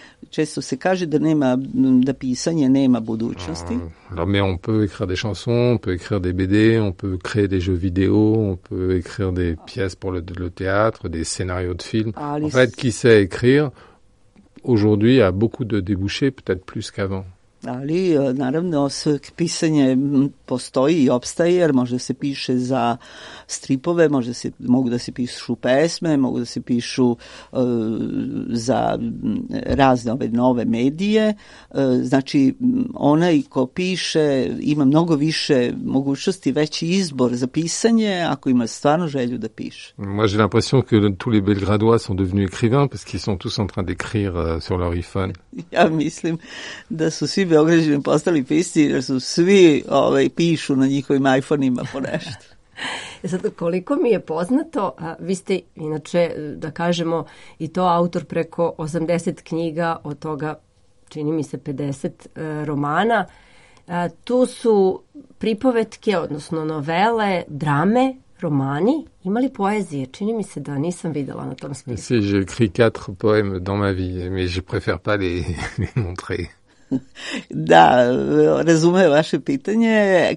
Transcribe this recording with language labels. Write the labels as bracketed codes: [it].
[sr] Često se kaže da nema, da pisanje nema budućnosti. [fr] Alors, mais on peut écrire des chansons, on peut écrire des BD, on peut créer des jeux vidéo, on peut écrire des pièces pour le théâtre, des scénarios de films. Ali, en fait, qui sait écrire, aujourd'hui, a beaucoup de débouchés, peut-être plus qu'avant. [sr] Ali naravno s pisanje postoji i opstaje, jer možda se piše za stripove, možda se mogu da se pišu pesme, mogu da se pišu za razne ove nove medije. Znači onaj ko piše ima mnogo više mogućnosti, veći izbor za pisanje ako ima stvarno želju da piše. [fr] Moi j'ai l'impression que tous les Belgradois sont devenus écrivains parce qu'ils sont tous en train d'écrire sur leur iPhone. [sr] Ja mislim da su svi Beograđani postali pisci, jer su svi pišu na njihovim iPhone-ima po nešto. Sad, koliko mi je poznato, vi ste inače, da kažemo, i to autor preko 80 knjiga, od toga čini mi se 50 romana. Tu su pripovetke, odnosno novele, drame, romani. Ima li poezije? Čini mi se da nisam videla na tom spisku. [fr] Si, j'ai écrit 4 poèmes dans ma vie, mais je préfère pas les montrer. [sr] Da, razumem vaše pitanje.